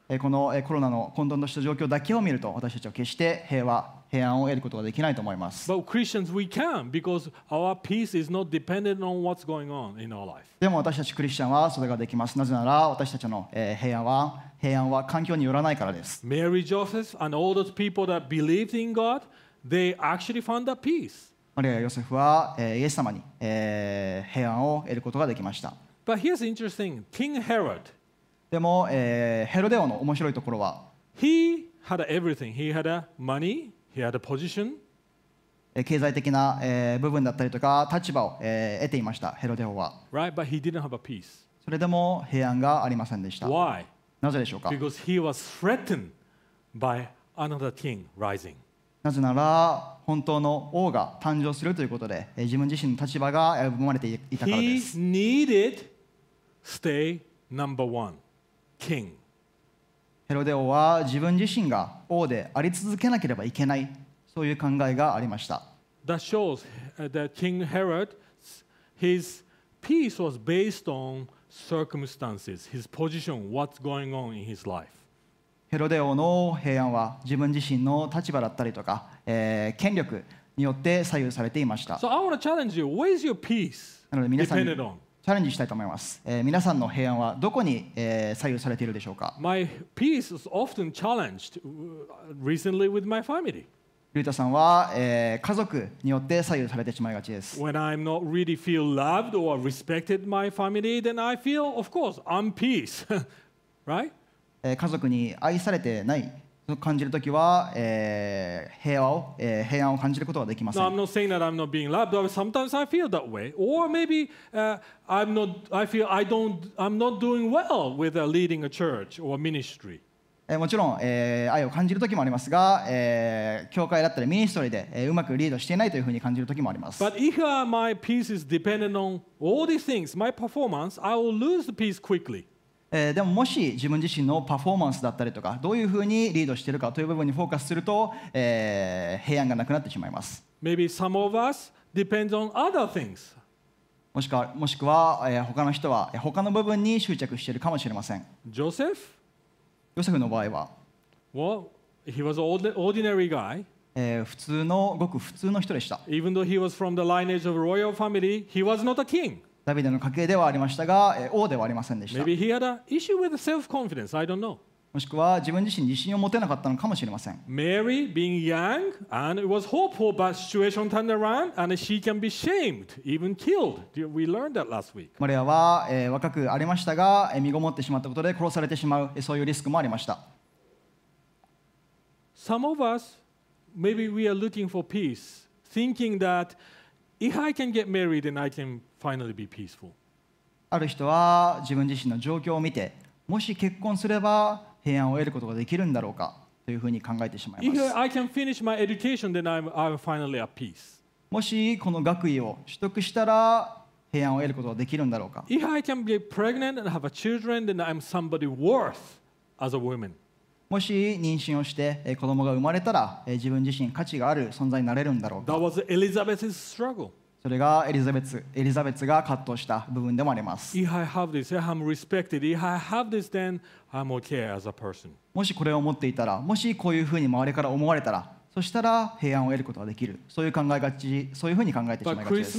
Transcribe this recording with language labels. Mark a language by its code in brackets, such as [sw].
[ja] このコロナの混沌とした状況だけを見ると私たちは決して平和、平安を得ることができないと思います。 [en] But Christians, we can because our peace is not dependent on what's going on in our life. [ja] でも私たちクリスチャンはそれができます。なぜなら私たちの平安は環境によらないからです。 [en] Mary, Joseph, and all those people that believed in God, they actually found that peace. [ja] マリア、ヨセフはイエス様に平安を得ることができました。 [en] But here's interesting, King Herod. [ja] でも、ヘロデ王の面白いところは [en] He had everything. He had money. He had a position. [ja] 経済的な、部分だったりとか立場を、得ていました、ヘロデ王は。 [en] Right, but he didn't have a peace. [ja] それでも平安がありませんでした。 [en] Why? [ja] なぜでしょうか? [en] Because he was threatened by another king rising. [ja] なぜなら本当の王が誕生するということで、自分自身の立場が危ぶまれていたからです。 [en] He needed stay. Number one, king. [ja] ヘロデ王は自分自身が王であり続けなければいけない、そういう考えがありました。 [en] That shows that King Herod, his peace was based on circumstances, his position, what's going on in his life. [ja] ヘロデ王の平安は自分自身の立場だったりとか、権力によって左右されていました。 [en] So I want to challenge you, where is your peace dependent on? [ja] チャレンジしたいと思います。皆さんの平安はどこに、左右されているでしょうか。 [en] My peace is often challenged recently with my family. [ja] ルータさんは、家族によって左右されてしまいがちです。 [en] When I'm not really feel loved or respected my family, then I feel, of course, unpeace, right? [ja] 家族に愛されてない。感じるときは、平安を感じることはできません。 [en] No, I'm not saying that I'm not being loved, but sometimes I feel that way. Or maybe I'm not doing well with leading a church or ministry. [ja] もちろん、愛を感じるときもありますが、教会だったりミニストリーで、うまくリードしていないというふうに感じるときもあります。 [en] But if my peace is dependent on all these things, my performance, I will lose the peace quickly. [ja] でももし自分自身のパフォーマンスだったりとかどういうふうにリードしているかという部分にフォーカスすると、平安がなくなってしまいます。 [en] Maybe some of us depends on other things. [ja] もしくは、他の人は他の部分に執着しているかもしれません。 [en] Joseph? [ja] ヨセフの場合は [en] Well, he was ordinary guy. [ja] 普通のごく普通の人でした。 [en] Even though he was from the lineage of royal family, he was not a king. [ja] ダビデの家系ではありましたが、王ではありませんでした。 [en] Maybe he had an issue with self-confidence. I don't know. [ja] もしくは自分自身に自信を持てなかったのかもしれません。 [en] Mary being young and it was hopeful, but situation turned around and she can be shamed, even killed. We learned that last week. [ja] マリアは、若くありましたが、身ごもってしまったことで殺されてしまう、そういうリスクもありました。 [en] Some of us, maybe we are looking for peace, thinking that if I can get married, then I canFinally be peaceful. [ja] ある人は自分自身の状況を見て、もし結婚すれば平安を得ることができるんだろうかというふうに考えてしまいます。 [en] If I can finish my education, then I'm finally at peace. [ja] もしこの学位を取得したら平安を得ることができるんだろうか。 [en] If I can be pregnant and have a children, then I'm somebody worth as a woman. [ja] もし妊娠をして子供が生まれたら自分自身価値がある存在になれるんだろうか。 [en] That was Elizabeth's struggle. [ja] それがエリザベツが葛藤した部分でもあります。 [en] If I have this, I'm respected. If I have this, then I'm okay as a person. [ja] もしこれを持っていたら、もしこういうふうに周りから思われたら、そしたら平安を得ることができる。そういう考えがち、そういうふうに考えてしまいがちです。